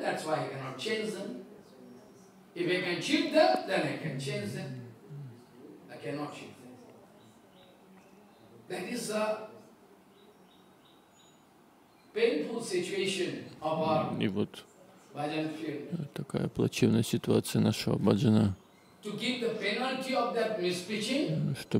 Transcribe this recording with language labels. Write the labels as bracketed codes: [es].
[en] That's why I cannot change them. If I can cheat them, then I can change them. I cannot cheat them. That is a painful situation of our bhajan field. [ru] Такая плачевная ситуация нашего баджана. [en] To give the penalty of that mispreaching.